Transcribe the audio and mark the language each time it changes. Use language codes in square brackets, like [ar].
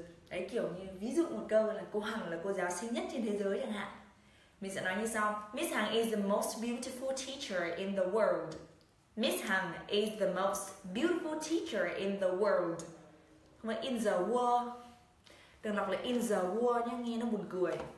[vi] Đấy, kiểu như ví dụ một câu là cô Hằng là cô giáo xinh nhất trên thế giới chẳng hạn. Mình sẽ nói như sau. [en] Miss Hằng is the most beautiful teacher in the world. Miss Hằng is the most beautiful teacher in the world. [vi] Mà [en] in the world, [vi] đừng đọc là in the world nhé, nghe nó buồn cười.